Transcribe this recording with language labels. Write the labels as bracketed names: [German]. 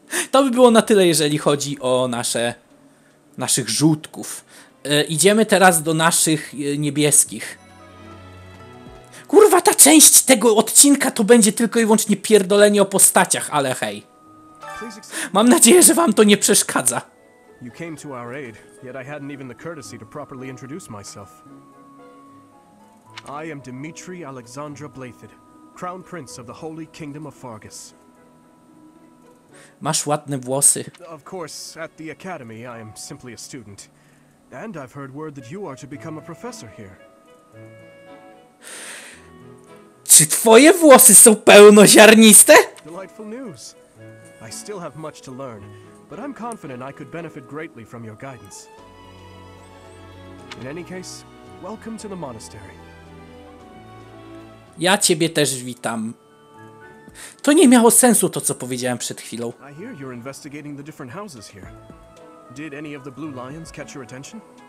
[Polish] To by było na tyle, jeżeli chodzi o naszych żółtków. Idziemy teraz do naszych niebieskich. Kurwa, ta część tego odcinka to będzie tylko i wyłącznie pierdolenie o postaciach, ale hej. Mam nadzieję, że wam to nie przeszkadza. [English] You came to our aid, yet I hadn't even the courtesy to properly introduce myself. I am Dimitri Alexandra Blathid, Crown Prince of the Holy Kingdom of Fargus. [Polish] Masz ładne włosy. [English] Of course, at the academy, I am simply a student. And I've heard word that you are to become a professor here. [Polish] Czy twoje włosy są pełnoziarniste? [English] Delightful news. I still have much to learn, but I'm confident I could benefit greatly from your guidance. In any case, welcome to the monastery. [Polish] Ja ciebie też witam. To nie miało sensu to, co powiedziałem przed chwilą. [English] I hear you're investigating the different houses here. Did any of the blue lions catch your attention?